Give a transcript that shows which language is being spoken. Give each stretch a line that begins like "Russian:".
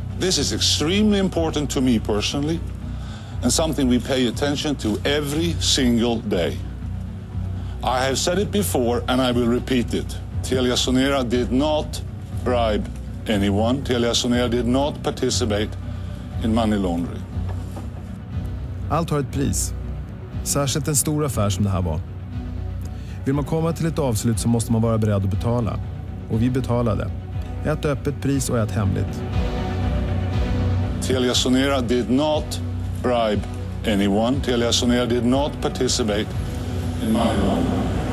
English: This is extremely important to me personally, and something we pay attention to every single day. I have said it before and I will repeat it. Telia Sonera did not bribe anyone. Telia Sonera did not participate in money laundering.
Swedish: Allt har ett pris. Särskilt en stor affär som det här var. Vill man komma till ett avslut så måste man vara beredd att betala. Och vi betalade. Ett öppet pris och ett hemligt.
English: Telia Sonera did not bribe anyone. Telia Sonera did not participate in my money.